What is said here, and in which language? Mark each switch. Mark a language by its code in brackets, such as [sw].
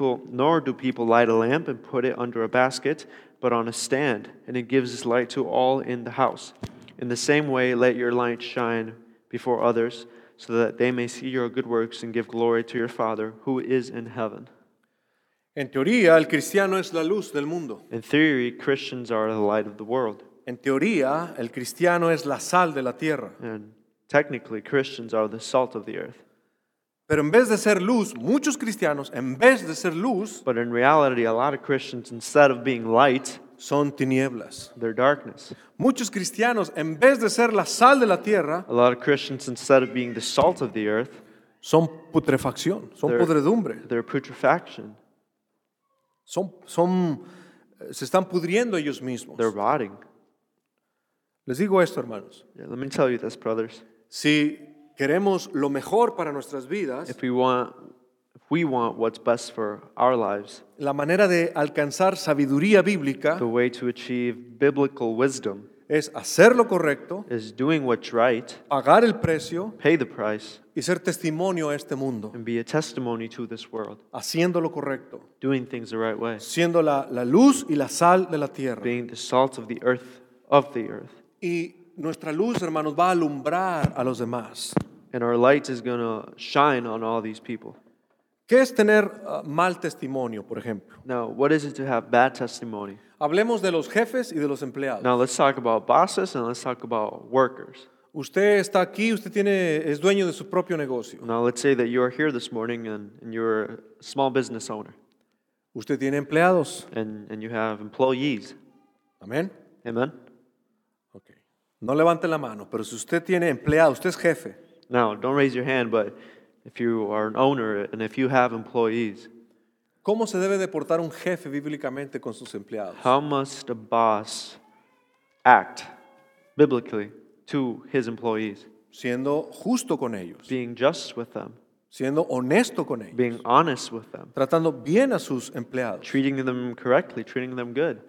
[en] Nor do people light a lamp and put it under a basket, but on a stand, and it gives its light to all in the house. In the same way, let your light shine before others, so that they may see your good works and give glory to your Father who is in heaven. [es] En teoría, el cristiano es la luz del mundo. [en] In theory, Christians are the light of the world. [es] En teoría, el cristiano es la sal de la tierra. [en] And technically, Christians are the salt of the earth. [es] Pero en vez de ser luz, muchos cristianos, en vez de ser luz, [en] but in reality, a lot of Christians, instead of being light, [es] son tinieblas. [en] They're darkness. [es] Muchos cristianos, en vez de ser la sal de la tierra, [en] a lot of Christians, instead of being the salt of the earth, [es] son putrefacción, son podredumbre. [en] They're putrefaction. [es] Se están pudriendo ellos mismos. [en] They're rotting. [es] Les digo esto, hermanos. [en] Yeah, let me tell you this, brothers. [es] Si queremos lo mejor para nuestras vidas, [en] if we want what's best for our lives, [es] la manera de alcanzar sabiduría bíblica, [en] the way to achieve biblical wisdom, [es] es hacer lo correcto, [en] is doing what's right, [es] pagar el precio, [en] pay the price, [es] y ser testimonio a este mundo, [en] and be a testimony to this world, [es] haciendo lo correcto, [en] doing things the right way, [es] siendo la luz y la sal de la tierra, [en] being the salt of the earth, of the earth. [es] Y nuestra luz, hermanos, va a alumbrar a los demás. [en] And our light is going to shine on all these people. [es] ¿Qué es tener mal testimonio, por ejemplo? [en] Now, what is it to have bad testimony? [es] Hablemos de los jefes y de los empleados. [en] Now, let's talk about bosses and let's talk about workers. [es] Usted está aquí, es dueño de su propio negocio. [en] Now, let's say that you are here this morning and you're a small business owner. [es] Usted tiene empleados. [en] And you have employees. [es] Amén. [en] Amen. Okay. [es] No levante la mano, pero si usted tiene empleados, usted es jefe. [en] Now, don't raise your hand, but if you are an owner and if you have employees, [es] ¿cómo se debe de portar un jefe bíblicamente con sus empleados? [en] How must a boss act biblically to his employees? [es] Siendo justo con ellos. [en] Being just with them. [es] Siendo honesto con ellos. [en] Being honest with them. [es] Tratando bien a sus empleados. [en] Treating them correctly, treating them good.